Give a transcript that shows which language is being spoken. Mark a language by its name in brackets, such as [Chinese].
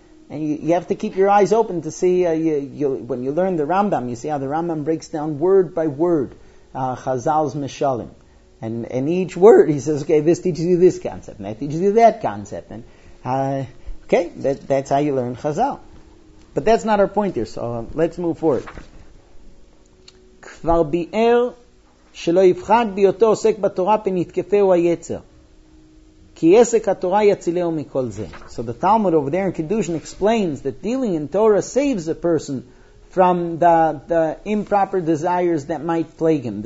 [English] And you have to keep your eyes open to see, when you learn the Rambam, you see how the Rambam breaks down word by word Chazal's Mishalim. And each word, he says, okay, this teaches you this concept, and that teaches you that concept. And that's how you learn Chazal. But that's not our point here, so let's move forward. [Hebrew] Kvar bi'er שלא יפחד ביותו עוסק בתורה פנתקפהו היצר. כי עסק התורה יצילהו מכל זה. [English] So the Talmud over there in Kiddushin explains that dealing in Torah saves a person from the improper desires that might plague him.